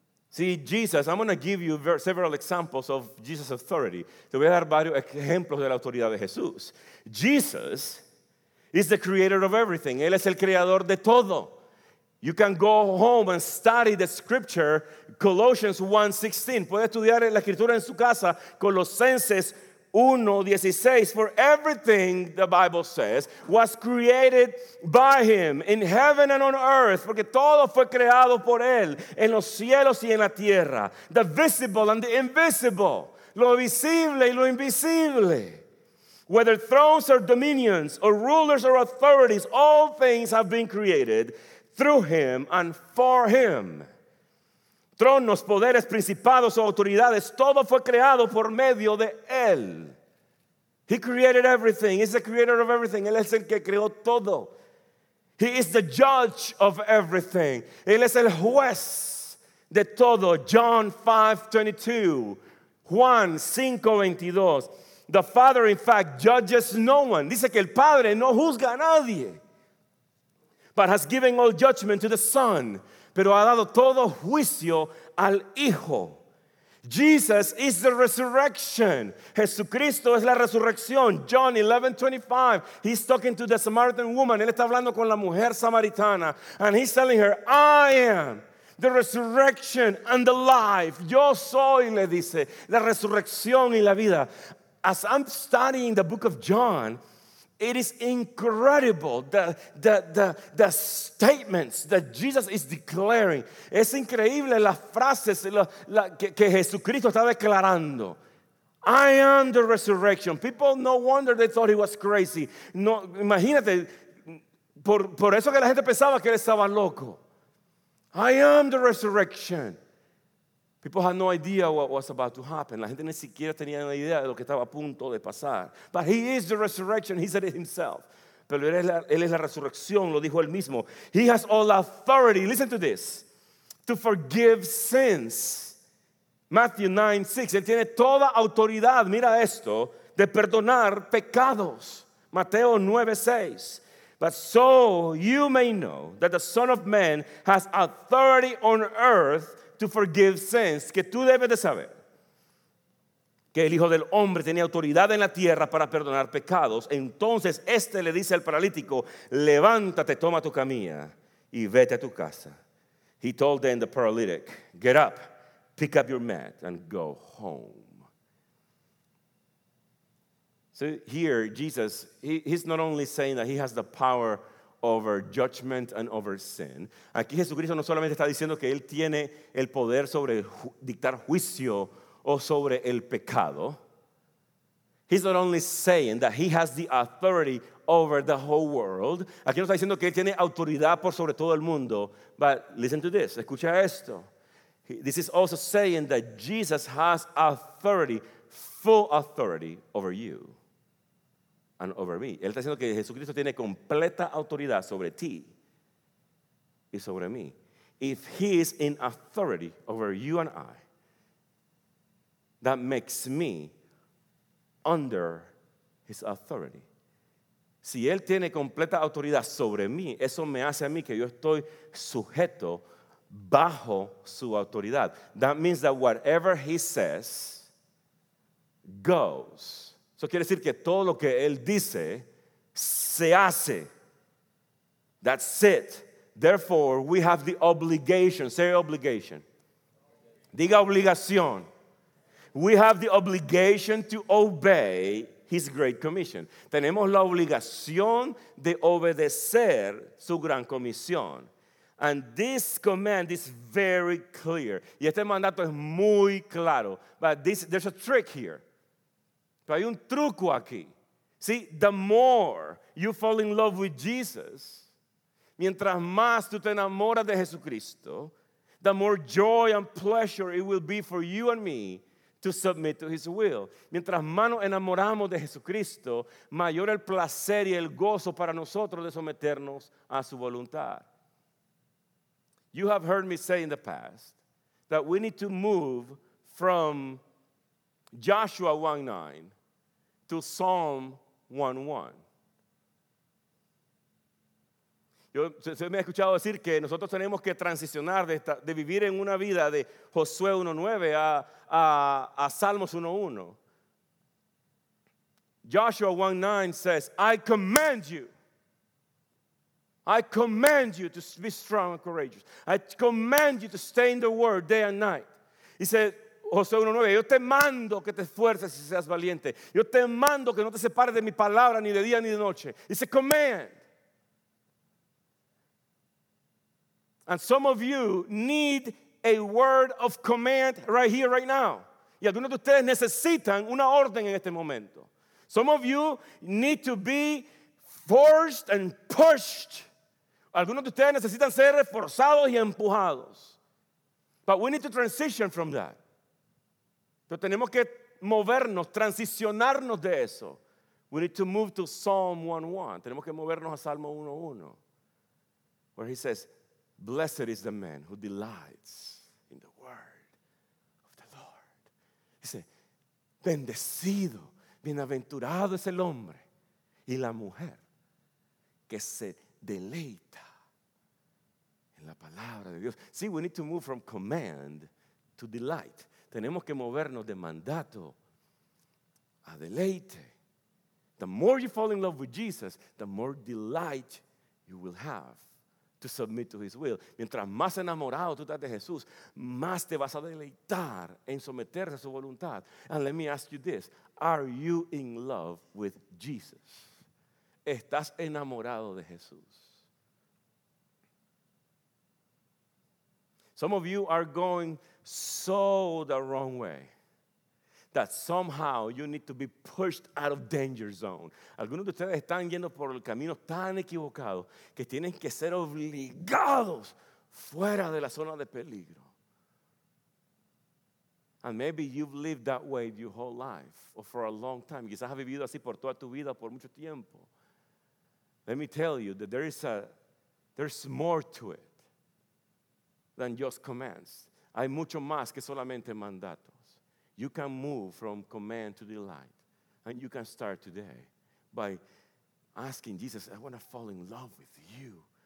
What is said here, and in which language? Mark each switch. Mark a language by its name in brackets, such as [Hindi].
[English] See, Jesus, I'm going to give you several examples of Jesus' authority. [Spanish] Te voy a dar varios ejemplos de la autoridad de Jesús. [English] Jesus is the creator of everything. [Spanish] Él es el creador de todo. [English] You can go home and study the scripture, Colossians 1:16. [Spanish] Puede estudiar la escritura en su casa, Colosenses 1:16. [English] For everything, the Bible says, was created by him in heaven and on earth. [Spanish] Porque todo fue creado por él en los cielos y en la tierra. [English] The visible and the invisible. [Spanish] Lo visible y lo invisible. [English] Whether thrones or dominions or rulers or authorities, all things have been created through him and for him. [Spanish] Tronos, poderes, principados o autoridades, todo fue creado por medio de él. [English] He created everything. He's the creator of everything. [Spanish] Él es el que creó todo. [English] He is the judge of everything. [Spanish] Él es el juez de todo. [English] John 5:22. Juan 5:22. The Father, in fact, judges no one. [Spanish] Dice que el Padre no juzga a nadie, [English] but has given all judgment to the Son. [Spanish] Pero ha dado todo juicio al Hijo. [English] Jesus is the resurrection. [Spanish] Jesucristo es la resurrección. John 11:25. [English] He's talking to the Samaritan woman. [Spanish] Él está hablando con la mujer samaritana. [English] And he's telling her, I am the resurrection and the life. [Spanish] Yo soy, le dice, la resurrección y la vida. [English] As I'm studying the book of John, it is incredible the statements that Jesus is declaring. [Spanish] Es increíble las frases que Jesucristo está declarando. [English] I am the resurrection. People, no wonder they thought he was crazy. [Spanish] No, imagínate, por eso que la gente pensaba que él estaba loco. [English] I am the resurrection. People had no idea what was about to happen. [Spanish] La gente ni siquiera tenía una idea de lo que estaba a punto de pasar. [English] But he is the resurrection, he said it himself. [Spanish] Pero él es la resurrección, lo dijo él mismo. [English] He has all authority, listen to this, to forgive sins. [Spanish] Matthew 9:6, él tiene toda autoridad, mira esto, de perdonar pecados. Mateo 9:6. [English] But so you may know that the Son of Man has authority on earth to forgive sins. [Spanish] Que tú debes de saber que el Hijo del Hombre tenía autoridad en la tierra para perdonar pecados. Entonces este le dice al paralítico, levántate, toma tu camilla y vete a tu casa. [English] He told then the paralytic, get up, pick up your mat and go home. So here Jesus, he's not only saying that he has the power over judgment and over sin. [Spanish] Aquí Jesucristo no solamente está diciendo que él tiene el poder sobre dictar juicio o sobre el pecado. [English] He's not only saying that he has the authority over the whole world. [Spanish] Aquí no está diciendo que él tiene autoridad por sobre todo el mundo. [English] But listen to this. [Spanish] Escucha esto. [English] This is also saying that Jesus has authority, full authority over you and over me. [Spanish] Él está diciendo que Jesucristo tiene completa autoridad sobre ti y sobre mí. [English] If he is in authority over you and I, that makes me under his authority. [Spanish] Si él tiene completa autoridad sobre mí, eso me hace a mí que yo estoy sujeto bajo su autoridad. [English] That means that whatever he says goes. [Spanish] Eso quiere decir que todo lo que él dice se hace. [English] That's it. Therefore, we have the obligation. Say obligation. [Spanish] Diga obligación. [English] We have the obligation to obey his great commission. [Spanish] Tenemos la obligación de obedecer su gran comisión. [English] And this command is very clear. [Spanish] Y este mandato es muy claro. [English] But there's a trick here. [Spanish] Pero hay un truco aquí. [English] See, the more you fall in love with Jesus, [Spanish] Mientras más tú te enamoras de Jesucristo, [English] the more joy and pleasure it will be for you and me to submit to his will. [Spanish] Mientras más nos enamoramos de Jesucristo, mayor el placer y el gozo para nosotros de someternos a su voluntad. [English] You have heard me say in the past that we need to move from Joshua 1:9 to Psalm 1:1. [Spanish] Usted me ha escuchado decir que nosotros tenemos que transicionar de vivir en una vida de Josué 1.9 a Salmos 1.1. [English] Joshua 1.9 says, I command you to be strong and courageous. I command you to stay in the word day and night. He said, [Spanish] Josué 1.9, yo te mando que te esfuerces y seas valiente. Yo te mando que no te separes de mi palabra ni de día ni de noche. [English] It's a command. And some of you need a word of command right here, right now. [Spanish] Y algunos de ustedes necesitan una orden en este momento. [English] Some of you need to be forced and pushed. [Spanish] Algunos de ustedes necesitan ser reforzados y empujados. [English] But we need to transition from that. [Spanish] Pero tenemos que movernos, transicionarnos de eso. [English] We need to move to Psalm 1:1. [Spanish] Tenemos que movernos a Salmo 1:1, [English] where he says, blessed is the man who delights in the word of the Lord. [Spanish] Dice, bendecido, bienaventurado es el hombre y la mujer que se deleita en la palabra de Dios. [English] See, we need to move from command to delight. [Spanish] Tenemos que movernos de mandato a deleite. [English] The more you fall in love with Jesus, the more delight you will have to submit to his will. [Spanish] Mientras más enamorado tú estás de Jesús, más te vas a deleitar en someterse a su voluntad. [English] And let me ask you this. Are you in love with Jesus? [Spanish] ¿Estás enamorado de Jesús? [English] Some of you are going so the wrong way that somehow you need to be pushed out of danger zone. [Spanish] Algunos de ustedes están yendo por el camino tan equivocado que tienen que ser obligados fuera de la zona de peligro. [English] And maybe you've lived that way your whole life or for a long time. [Spanish] Quizás has vivido así por toda tu vida, por mucho tiempo. [English] Let me tell you that there's more to it than just commands. [Spanish] Hay mucho más que solamente mandato. [English] You can move from command to delight. And you can start today by asking Jesus, I want to fall in love with you.